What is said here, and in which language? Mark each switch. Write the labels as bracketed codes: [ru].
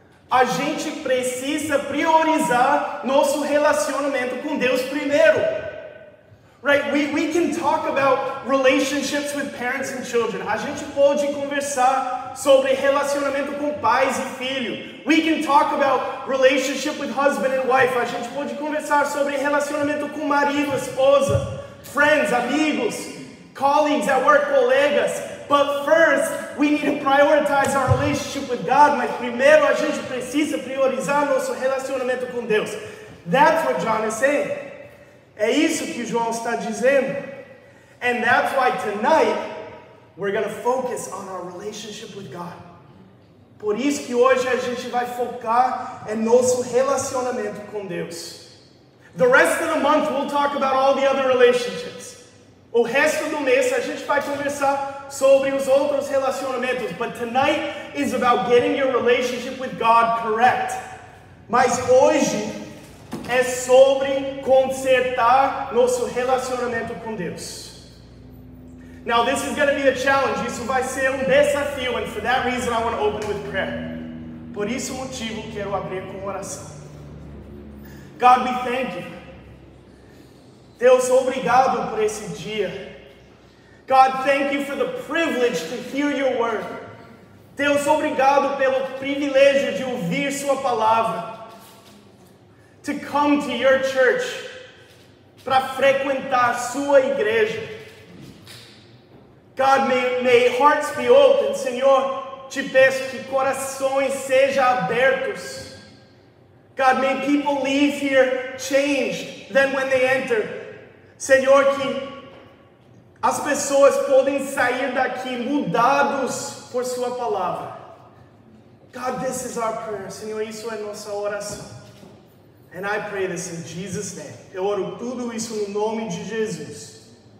[pt] A gente precisa priorizar nosso relacionamento com Deus primeiro. [en] Right? We can talk about relationships with parents and children. [pt] A gente pode conversar sobre relacionamento com pais e filho. [en] We can talk about relationship with husband and wife. [pt] A gente pode conversar sobre relacionamento com marido, esposa, [en] friends, [pt] amigos, [en] colleagues at work, [pt] colegas. [en] But first, we need to prioritize our relationship with God. [pt] Mas primeiro, a gente precisa priorizar nosso relacionamento com Deus. [en] That's what John is saying. [pt] É isso que João está dizendo. [en] And that's why tonight we're going to focus on our relationship with God. [pt] Por isso que hoje a gente vai focar em nosso relacionamento com Deus. [en] The rest of the month we'll talk about all the other relationships. [pt] O resto do mês a gente vai conversar sobre os outros relacionamentos, [en] but tonight is about getting your relationship with God correct. [pt] Mas hoje é sobre consertar nosso relacionamento com Deus. [en] Now this is going to be a challenge, [pt] isso vai ser desafio, [en] and for that reason I want to open with prayer. [pt] Por esse motivo quero abrir com oração. [en] God, we thank you. [pt] Deus, obrigado por esse dia. [en] God, thank you for the privilege to hear your word. [pt] Deus, obrigado pelo privilégio de ouvir sua palavra. [en] To come to your church, [pt] para frequentar sua igreja. [en] God, may hearts be open. [pt] Senhor, te peço que corações sejam abertos. [en] God, may people leave here changed than when they enter. [pt] Senhor, que as pessoas podem sair daqui mudados por sua palavra. [en] God, this is our prayer. [pt] Senhor, isso é nossa oração. [en] And I pray this in Jesus' name. [pt] Eu oro tudo isso no nome de Jesus.